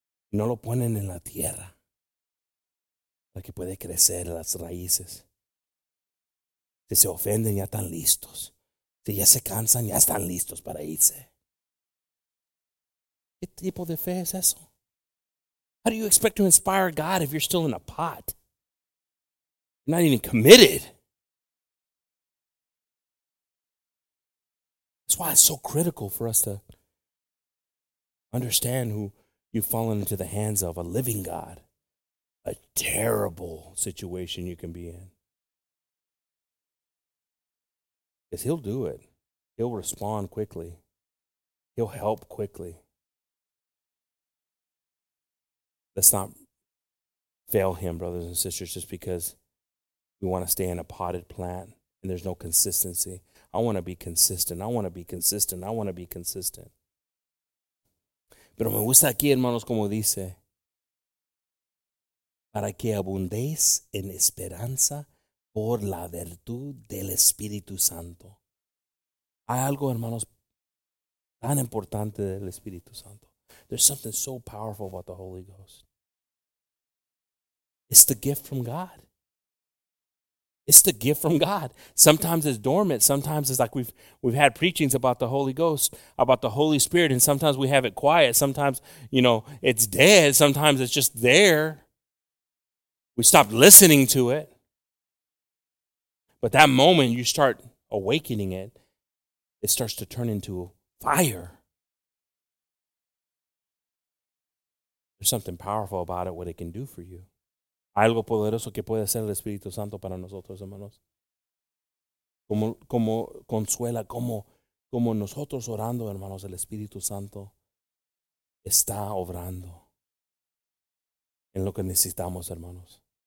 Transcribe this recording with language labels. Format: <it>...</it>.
<es>No lo ponen en la tierra para que puede crecer las raíces. Si se ofenden, ya están listos. Si ya se cansan, ya están listos para irse. ¿Qué tipo de fe es eso?</es> <en>How do you expect to inspire God if you're still in a pot? You're not even committed. That's why it's so critical for us to understand who you've fallen into the hands of, a living God. A terrible situation you can be in. Because He'll do it. He'll respond quickly. He'll help quickly. Let's not fail Him, brothers and sisters, just because we want to stay in a potted plant and there's no consistency. I want to be consistent. I want to be consistent. I want to be consistent.</en> <es>Pero me gusta aquí, hermanos, como dice, para que abundéis en esperanza por la virtud del Espíritu Santo. Hay algo, hermanos, tan importante del Espíritu Santo.</es> <en>There's something so powerful about the Holy Ghost. It's the gift from God. It's the gift from God. Sometimes it's dormant. Sometimes it's like we've had preachings about the Holy Ghost, about the Holy Spirit, and sometimes we have it quiet. Sometimes, you know, it's dead. Sometimes it's just there. We stopped listening to it. But that moment you start awakening it, it starts to turn into fire. There's something powerful about it, what it can do for you.</en> <es>Algo poderoso que puede hacer el Espíritu Santo para nosotros, hermanos. Como consuela, como nosotros orando, hermanos, el Espíritu Santo está obrando en lo que necesitamos, hermanos.</es>